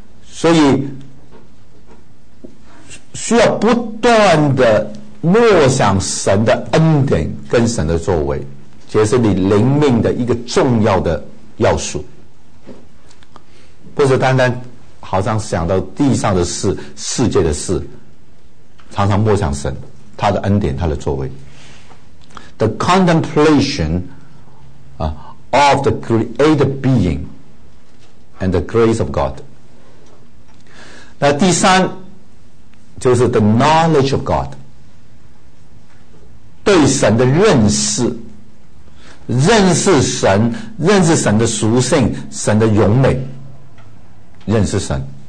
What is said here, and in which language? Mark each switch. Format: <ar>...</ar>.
<zh>所以需要不断的默想神的恩典跟神的作为，这是你灵命的一个重要的要素。不是单单好像想到地上的事、世界的事，常常默想神他的恩典、他的作为。</zh> <en>The contemplation of the created being and the grace of God。</en> <zh>那第三就是</zh> <en>the knowledge of God，</en> <zh>对神的认识，认识神，认识神的属性、神的荣美，认识神。</zh>